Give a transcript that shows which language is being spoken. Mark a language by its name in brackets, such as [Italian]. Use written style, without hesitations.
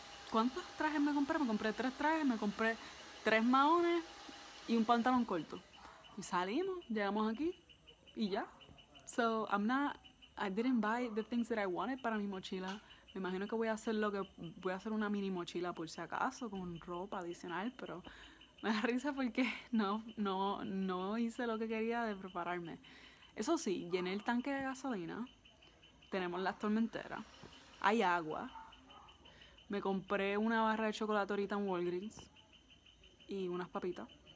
[Spanish] ¿cuántos trajes me compré? Me compré 3 trajes, me compré 3 mahones y un pantalón corto y salimos, llegamos aquí y ya. [English] So, I didn't buy the things that I wanted [Spanish] para mi mochila. Me imagino que voy a hacer una mini mochila por si acaso con ropa adicional, pero me da risa porque no hice lo que quería de prepararme. Eso sí, llené el tanque de gasolina, tenemos las tormenteras, hay agua, me compré una barra de chocolate ahorita en Walgreens y unas papitas.